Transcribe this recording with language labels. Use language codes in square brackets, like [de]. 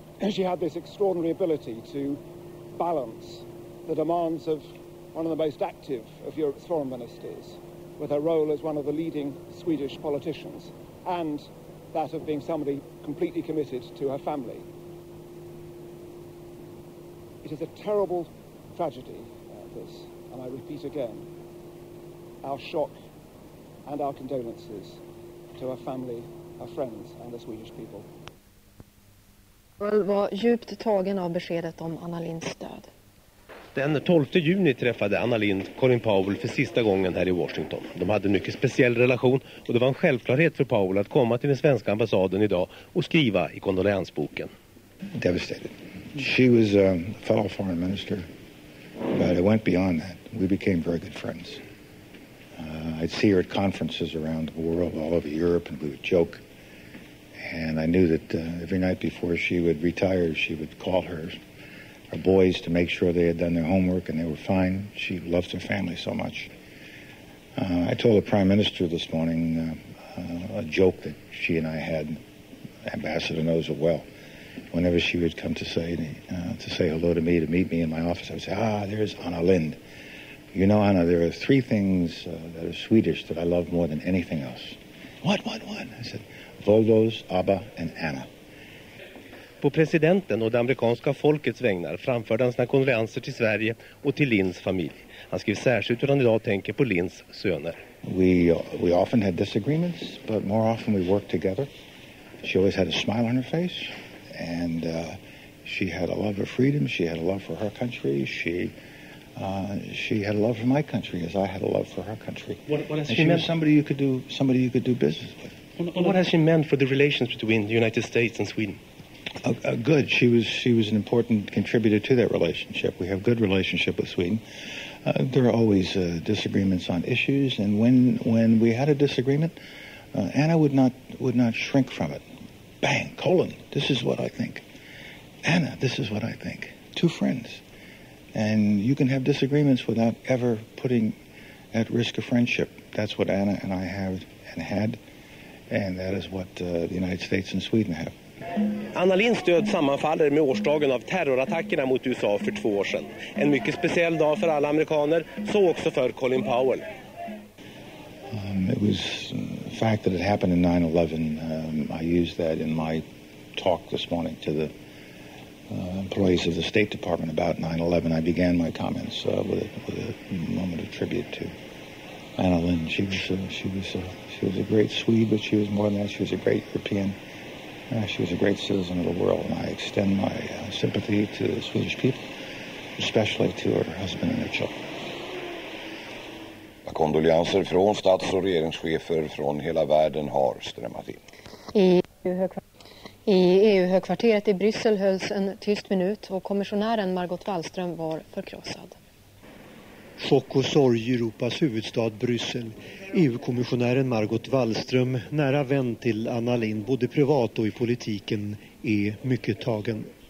[en] She had this extraordinary ability to balance the demands of one of the most active of Europe's foreign ministers with her role as one of the leading Swedish politicians, and that of being somebody completely committed to her family. It is a terrible tragedy, this, and I repeat again, our shock and our condolences to her family, her friends and the Swedish people. [sv] Jag var djupt tagen av beskedet om Anna Lindhs död. Den 12 juni träffade Anna Lindh Colin Powell för sista gången här i Washington. De hade en mycket speciell relation, och det var en självklarhet för Powell att komma till den svenska ambassaden idag och skriva i kondoleansboken. [en] Devastated. She was a fellow foreign minister, but it went beyond that. We became very good friends. I'd see her at conferences around the world, all over Europe, and we would joke. And I knew that every night before she would retire, she would call her boys to make sure they had done their homework and they were fine. She loved her family so much. I told the Prime Minister this morning a joke that she and I had. Ambassador knows it well. Whenever she would come to say hello to me, to meet me in my office, I would say, ah, there's Anna Lindh. You know, Anna, there are three things that are Swedish that I love more than anything else. What? I said, Volvos, ABBA, and Anna. [sv] På presidenten och det amerikanska folkets vägnar framförde han sina kondolenser till Sverige och till Lindhs familj. Han skrev särskilt hur han idag tänker på Lindhs söner. [en] We often had disagreements, but more often we worked together. She always had a smile on her face, and she had a love of freedom, she had a love for her country, she had a love for my country as I had a love for her country. What has she meant? somebody you could do business with. What has she meant for the relations between the United States and Sweden? Good. She was an important contributor to that relationship. We have good relationship with Sweden. There are always disagreements on issues, and when we had a disagreement, Anna would not shrink from it. Bang, colon, this is what I think. Anna, this is what I think. Two friends. And you can have disagreements without ever putting at risk a friendship. That's what Anna and I have and had, and that is what the United States and Sweden have. [sv] Anna Lindhs död sammanfaller med årsdagen av terrorattackerna mot USA för 2 år sedan. En mycket speciell dag för alla amerikaner, så också för Colin Powell. [en] It was the fact that it happened in 9/11. I used that in my talk this morning to the employees of the State Department about 9/11. I began my comments with a moment of tribute to Anna Lindh. She was a great Swede, but she was more than that. She was a great European. She was a great citizen of the world, and I extend my sympathy to the Swedish people, especially to her husband and her children. [sv] Kondolenser från stats- och regeringschefer från hela världen har strömmat in. I EU-högkvarteret i Bryssel hölls en tyst minut och kommissionären Margot Wallström var förkrossad. Chock och sorg i Europas huvudstad Bryssel. EU-kommissionären Margot Wallström, nära vän till Anna Lindh, både privat och i politiken, är mycket tagen.